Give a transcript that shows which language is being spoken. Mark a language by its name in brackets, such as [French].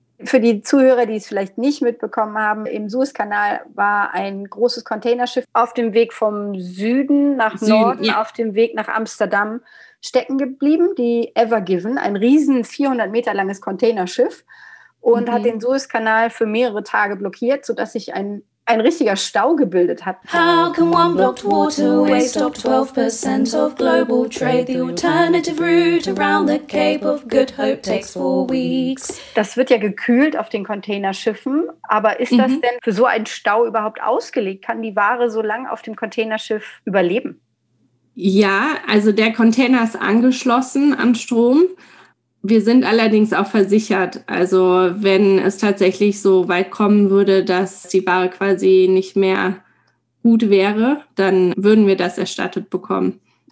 [German] Für die Zuhörer, die es vielleicht nicht mitbekommen haben, im Suezkanal war ein großes Containerschiff auf dem Weg vom Süden nach Norden, auf dem Weg nach Amsterdam stecken geblieben. Die Ever Given, ein riesen 400 Meter langes Containerschiff. Und hat den Suezkanal für mehrere Tage blockiert, sodass sich ein richtiger Stau gebildet hat. [English] How can one blocked waterway stop 12% of global trade? The alternative route around the Cape of Good Hope takes 4 weeks. [German] Das wird ja gekühlt auf den Containerschiffen. Aber ist das denn für so einen Stau überhaupt ausgelegt? Kann die Ware so lange auf dem Containerschiff überleben? Ja, also der Container ist angeschlossen an Strom. Wir sind allerdings auch versichert. Also wenn es tatsächlich so weit kommen würde, dass die Ware quasi nicht mehr gut wäre, dann würden wir das erstattet bekommen.